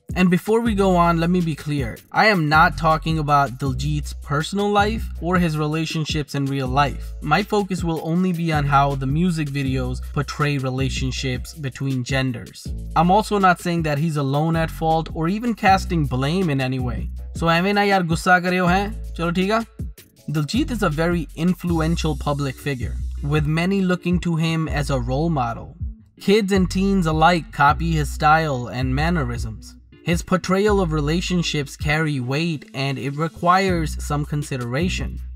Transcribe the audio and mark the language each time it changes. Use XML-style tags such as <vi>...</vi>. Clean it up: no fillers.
<en>And before we go on, let me be clear. I am not talking about Diljit's personal life or his relationships in real life. My focus will only be on how the music videos portray relationships between genders. I'm also not saying that he's alone at fault or even casting blame in any way.</en> <pa>So, ਐਮੇ ਨਾ ਯਾਰ ਗੁੱਸਾ ਕਰੇ ਹੋ ਹੈਂ? ਚਲੋ ਠੀਕ ਹੈ?</pa> <en>Diljit is a very influential public figure, with many looking to him as a role model. Kids and teens alike copy his style and mannerisms. His portrayal of relationships carry weight and it requires some consideration.</en>